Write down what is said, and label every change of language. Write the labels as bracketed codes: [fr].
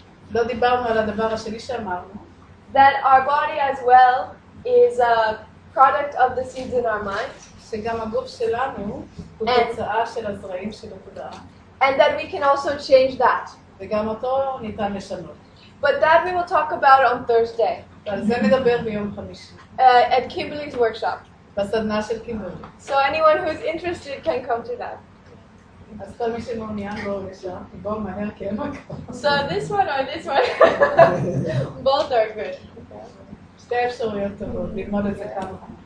[he] לא דיברנו על הדבר השני שאמרנו. [en] That our body as well is a product of the seeds in our mind. [he] שגם הגוף שלנו הוא תוצאה של הזרעים של התודעה. [en] And that we can also change that. [he] וגם אותו ניתן לשנות. [en] But that we will talk about on Thursday. [he] על זה נדבר ביום חמישי. [en] At Kimberly's workshop. [he] בסדנה של קימברלי. [en] So anyone who is interested can come to that. [he] אז כל מי שמעוניין בואו לשם, בואו מהר כי אין מקום. [en] So this one or this one, both are good. [he] שתי אפשרויות טובות, ללמוד את זה כמה.